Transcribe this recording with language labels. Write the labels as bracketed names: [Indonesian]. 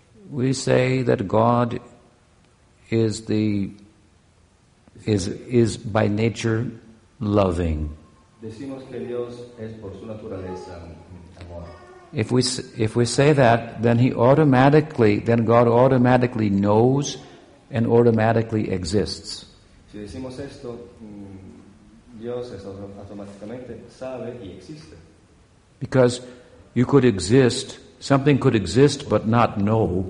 [English] We say that God is by nature loving. [Spanish] Decimos que Dios es por su naturaleza amor. [English] If we say that, then God automatically knows and automatically exists. [Spanish] Si decimos esto, Dios es automáticamente sabe y existe. [English] Because you could exist, something could exist but not know.